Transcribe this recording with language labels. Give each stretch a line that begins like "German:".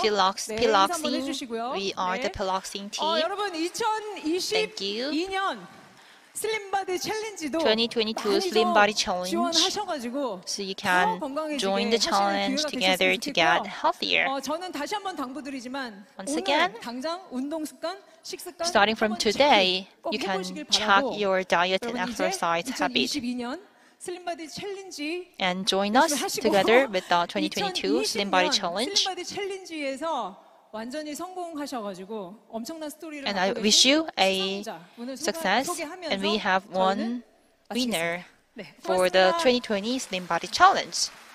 English: Piloxi. We are 네. the Piloxi team.
Korean: 여러분, 2022년 슬림 바디 챌린지도 2022 슬림 바디 챌린지 지원하셔가지고
English: so you can join the challenge together to get healthier.
Korean: 저는 다시 한번 당부드리지만
English: once again
Korean: 당장 운동 습관 식습관
English: starting from today you can check your diet and exercise habit.
Korean: 2022년 슬림 바디 챌린지
English: and join us together with the 2022 슬림 바디 챌린지.
Korean: 슬림 바디 챌린지에서 완전히 성공하셔가지고 엄청난 스토리를
English: And I wish you a success and we have one winner 네, for the 2020 Slim Body Challenge.